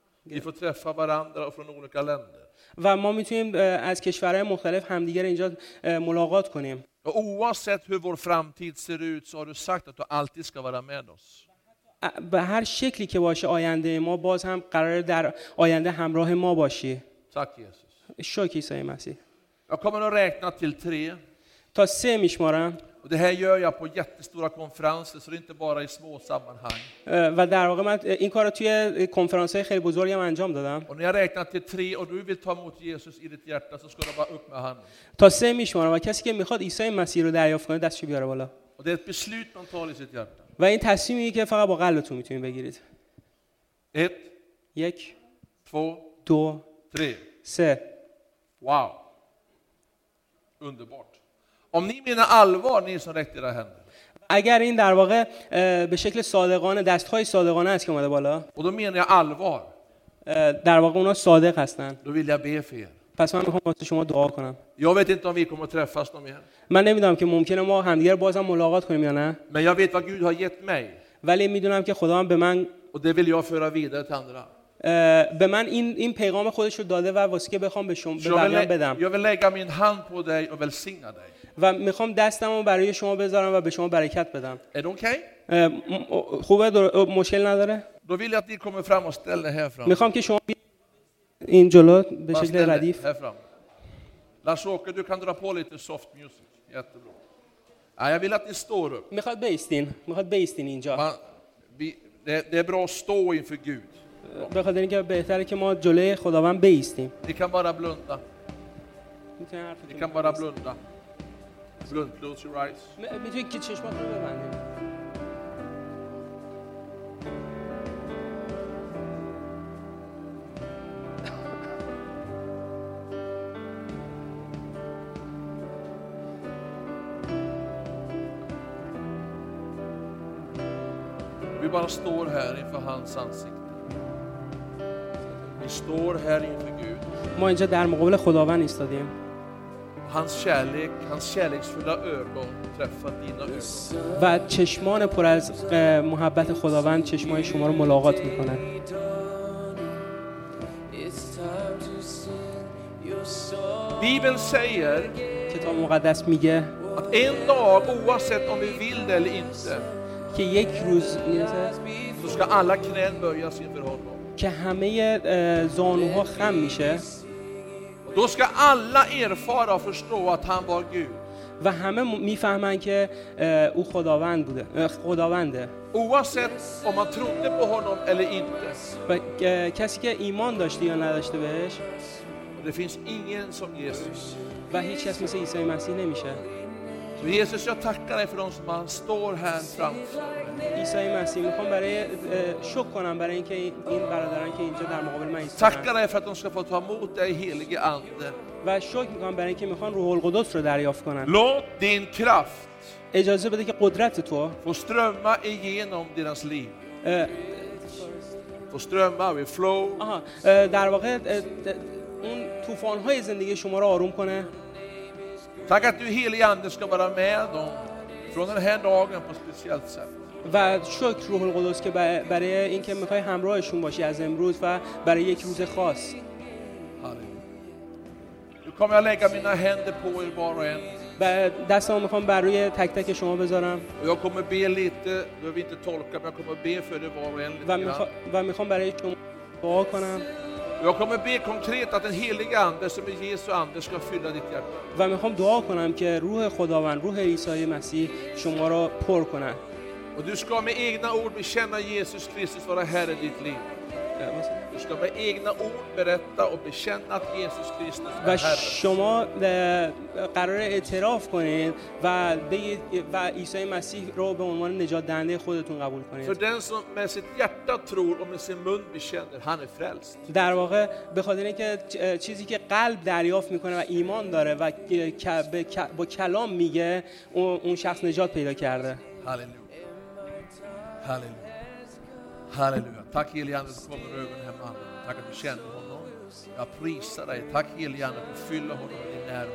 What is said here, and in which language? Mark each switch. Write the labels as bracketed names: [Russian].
[Swedish] Vi får träffa varandra från olika länder. [Persian] و ما میتونیم از کشورهای مختلف همدیگر اینجا ملاقات کنیم. [Swedish] Och oavsett hur vår framtid ser ut så har du sagt att du alltid ska vara med oss. [Persian] به هر شکلی که باشه آینده ما باز هم قرار در آینده همراه ما باشی. [Swedish] تاک یسوس. [Persian] شکر عیسی مسیح. [Swedish] Jag kommer att räkna till 3. [Persian] تا 3 میشمارم. [Swedish] Och det här gör jag på jättestora konferenser, så det är inte bara i små sammanhang. Va där [Persian] واقع من این کارو توی کنفرانس‌های خیلی بزرگ هم انجام دادم. [Swedish] Och när jag räknar till tre och du vill ta emot Jesus i ditt hjärta så ska du bara upp med handen. [Persian] تا سه میشمارم و کسی که میخواد عیسی مسیح رو دریافت کنه دستش بیاره بالا. [Swedish] Och det är ett beslut man tar i sitt hjärta. [Persian] و این تصمیمیه که فقط با قلبتون میتونید بگیرید. [Swedish] 1 [Persian] 1 [Swedish] 2 [Persian] 2 [Swedish] 3 [Persian] 3 [Swedish] Wow. Underbart. Om ni menar allvar, ni som räckte era händer. [Persian] اگر این در واقع به شکل صادقانه دستهای صادقانه است که اومده بالا. [Swedish] و då menar jag allvar. [Persian] در واقع اونا صادق هستن. [Swedish] Då vill jag be för er. [Persian] پس من میخوام واسه شما دعا کنم. [Swedish] Jag vet inte om vi kommer träffas någon mer. [Persian] من نمیدونم که ممکنه ما همدیگر بازم ملاقات کنیم یا نه. [Swedish] Men jag vet vad Gud har gett mig. [Persian] ولی میدونم که خدا هم به من [Swedish] و det vill jag föra vidare till andra. [Persian] به من این پیغام خودش رو داده و واسه که بخوام به شما بدم. [Swedish] Jag vill lägga min hand på dig och välsigna dig. [Persian] و میخوام دستمو برای شما بذارم و به شما برکت بدم. اوکی؟ خوبه، مشکل نداره؟ [Swedish] Då vill jag att ni kommer fram och ställer här fram. [Persian] میخوام که شما این جلو به شکل ردیف. [Swedish] Lars-Åke, du kan dra på lite soft music. Jättebra. Jag vill att ni står upp. [Persian] میخواد بیستین. میخواد بیستین اینجا. [Swedish] Det är bra att stå inför Gud. [Persian] به خاطر اینکه بهتره که ما جلوی خداوند بیستیم. [Swedish] Ni kan bara blunda. Ni kan bara blunda. [English] Close your eyes. [Persian] می‌تونی که چشمات رو ببندی. [Swedish] Vi bara står här inför hans ansikte. Vi står här inför Gud. [Persian] ما اینجا در مقابل خداوند ایستادیم. [Swedish] Hans kärleksfulla ögon träffar dina ögon. [Persian] و چشمان پر از محبت خداوند چشمان شما رو ملاقات میکنه. [Swedish] Bibeln säger, [Persian] کتاب مقدس میگه, [Swedish] att en dag, oavsett om vi vill det eller inte, [Persian] که یک روز میشه, [Swedish] så ska alla knän böjas inför honom. [Persian] که همه زانوها خم میشه. [Swedish] Då ska alla erfara och förstå att han var Gud. [Persian] و همه میفهمن که او خداوند بوده. خداونده. [Swedish] Oavsett om man trodde på honom eller inte. [Persian] کسی که ایمان داشته یا نداشته بهش. [Swedish] Det finns ingen som Jesus. [Persian] و هیچ کس مثل عیسی مسیح نمیشه. [Swedish] Jesus, jag tackar dig för de som står här framför. [Persian] عیسی مسیح میخوام برای شکر کنم برای اینکه این برادران که اینجا در مقابل من ایستادن. تشکر دارم فقط اون شفا تو موت ای هیلیگی انده. و شکر میکنم برای اینکه میخوان روح القدس رو دریافت کنن. [Swedish] Låt din kraft. [Persian] اجازه بده که قدرت تو [Swedish] فسترما igenom deras liv. فسترما و فلو. [Persian] در واقع اون طوفان های زندگی شما رو آروم کنه. [Swedish] Tack att du helige ande ska vara med dem från den här dagen på speciellt sätt. [Persian] و شکر روح القدس که برای اینکه میخوای همراهشون باشی از امروز و برای یک روز خاص. [Swedish] Nu kommer jag lägga mina händer på er var och en. [Persian] دستمو میخوام بر روی تک تک شما بذارم. [Swedish] Jag kommer be lite, då vill inte tolka, men jag kommer be för er var och en. [Persian] و میخوام برای شما دعا کنم. [Swedish] Jag kommer be konkret att den helige ande som är Jesu ande ska fylla ditt hjärta. [Persian] و میخوام دعا کنم که روح خداوند روح عیسی مسیح شما را پر کنه. [Swedish] Och du ska med egna ord bekänna Jesus Kristus vara herre i ditt liv. Du ska med egna ord berätta och bekänna att Jesus Kristus är herre. [Persian] و شما قرار اعتراف کنید و بگید و عیسی مسیح رو به عنوان نجات دهنده خودتون قبول کنید. [Swedish] För den som med sitt hjärta tror och med sin mun bekänner, han är frälst. [Persian] در واقع به خاطر اینکه چیزی که قلب دریافت میکنه و ایمان داره و با کلام میگه اون شخص نجات پیدا کرده. [Swedish] هللویا. Halleluja. Halleluja. Tack helige ande som kommer över den här mannen. Tack att du känner honom. Jag prisar dig. Tack helige ande för att fylla honom med din närvaro.